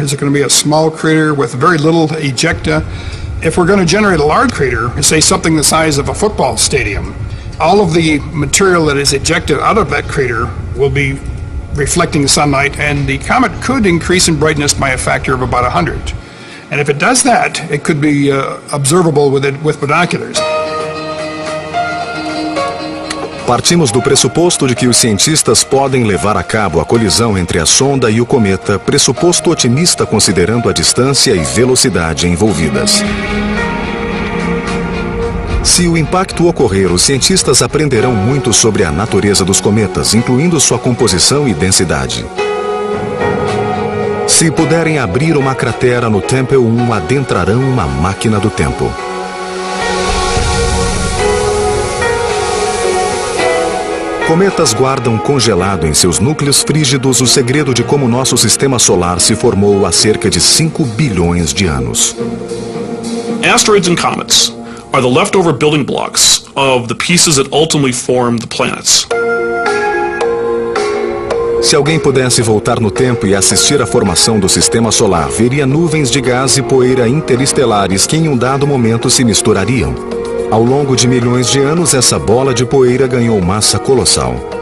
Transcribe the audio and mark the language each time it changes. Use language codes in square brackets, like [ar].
[en] Is it going to be a small crater with very little ejecta? If we're going to generate a large crater, say something the size of a football stadium, all of the material that is ejected out of that crater will be reflecting sunlight, and the comet could increase in brightness by a factor of about 100. And if it does that, it could be observable with binoculars. [pt] Partimos do pressuposto de que os cientistas podem levar a cabo a colisão entre a sonda e o cometa, pressuposto otimista considerando a distância e velocidade envolvidas. Se o impacto ocorrer, os cientistas aprenderão muito sobre a natureza dos cometas, incluindo sua composição e densidade. Se puderem abrir uma cratera no Tempel-1, adentrarão uma máquina do tempo. Cometas guardam congelado em seus núcleos frígidos o segredo de como nosso sistema solar se formou há cerca de 5 bilhões de anos. [en] Asteroids and comets are the leftover building blocks of the pieces that ultimately form the planets. [pt] Se alguém pudesse voltar no tempo e assistir à formação do sistema solar, veria nuvens de gás e poeira interestelares que em um dado momento se misturariam. Ao longo de milhões de anos, essa bola de poeira ganhou massa colossal.